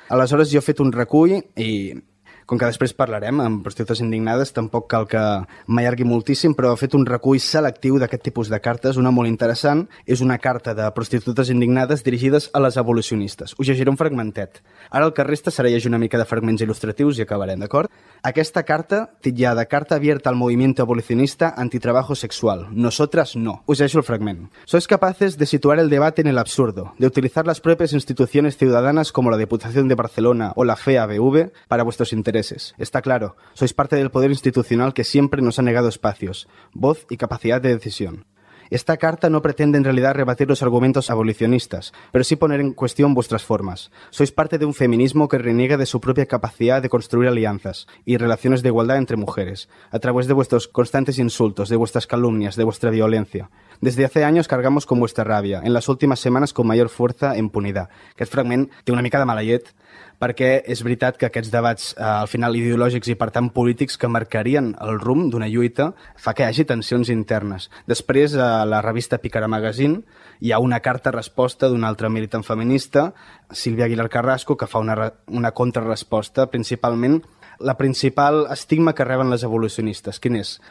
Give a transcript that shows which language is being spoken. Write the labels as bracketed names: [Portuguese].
[Catalan] Aleshores, jo he fet un recull i, com que després parlarem amb prostitutes indignades, tampoc cal que m'allargui moltíssim, però he fet un recull selectiu d'aquest tipus de cartes, una molt interessant. És una carta de prostitutes indignades dirigides a les abolicionistes. Us llegiré un fragmentet. Ara el que resta serà llegir una mica de fragments il·lustratius i acabarem, d'acord? Aquesta carta, titllada [Spanish] Carta abierta al movimiento abolicionista antitrabajo sexual. Nosotras no. [Catalan] Us llegeixo el fragment. [Spanish] Sois capaces de situar el debate en el absurdo, de utilizar las propias instituciones ciudadanas como la Diputación de Barcelona o la FEABV para vuestros intereses. Está claro, sois parte del poder institucional que siempre nos ha negado espacios, voz y capacidad de decisión. Esta carta no pretende en realidad rebatir los argumentos abolicionistas, pero sí poner en cuestión vuestras formas. Sois parte de un feminismo que reniega de su propia capacidad de construir alianzas y relaciones de igualdad entre mujeres, a través de vuestros constantes insultos, de vuestras calumnias, de vuestra violencia. Desde hace años cargamos con vuestra rabia, en las últimas semanas con mayor fuerza e impunidad. [Catalan] Aquest fragment té una mica de mala llet, perquè és veritat que aquests debats, al final ideològics i per tant polítics, que marcarien el rumb d'una lluita, fa que hi hagi tensions internes. Després, a la revista Picara Magazine, hi ha una carta resposta d'una altra militant feminista, Sílvia Aguilar Carrasco, que fa una contrarresposta, principalment la principal estigma que reben les abolicionistes. Quin és?